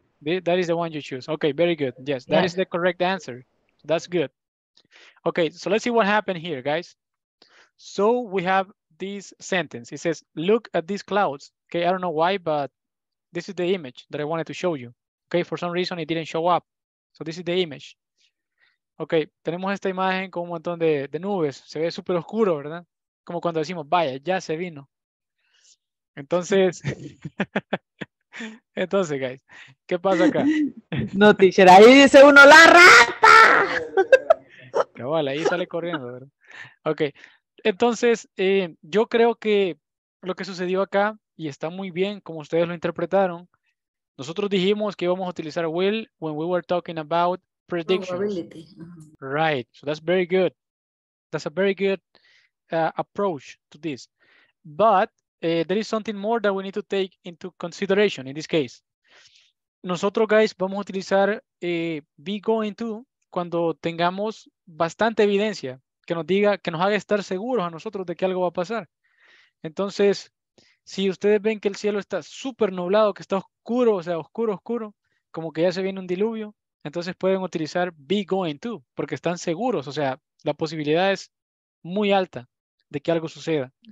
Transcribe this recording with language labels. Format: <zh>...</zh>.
<en>That is the one you choose. Okay, very good. Yes, that is the correct answer. That's good. Okay, so let's see what happened here, guys. So we have this sentence. It says, look at these clouds. Okay, I don't know why, but this is the image that I wanted to show you. Okay, for some reason it didn't show up. So this is the image.</en> <es>Okay, tenemos esta imagen con un montón de nubes. Se ve súper oscuro, ¿verdad? Como cuando decimos, vaya, ya se vino. Entonces, guys, ¿qué pasa acá? No, teacher, ahí dice uno, ¡la rata! Cabal, ahí sale corriendo, ¿verdad? Ok, entonces, yo creo que lo que sucedió acá, y está muy bien como ustedes lo interpretaron, nosotros dijimos que íbamos a utilizar will</es> <en>when we were talking about predictions. Right, so that's very good. That's a very good approach to this. But, there is something more that we need to take into consideration in this case.</en> <es>Nosotros, guys, vamos a utilizar be going to cuando tengamos bastante evidencia que nos diga, que nos haga estar seguros a nosotros de que algo va a pasar. Entonces, si ustedes ven que el cielo está súper nublado, que está oscuro, o sea, oscuro, oscuro, como que ya se viene un diluvio, entonces pueden utilizar be going to porque están seguros, o sea, la posibilidad es muy alta de que algo suceda.</es>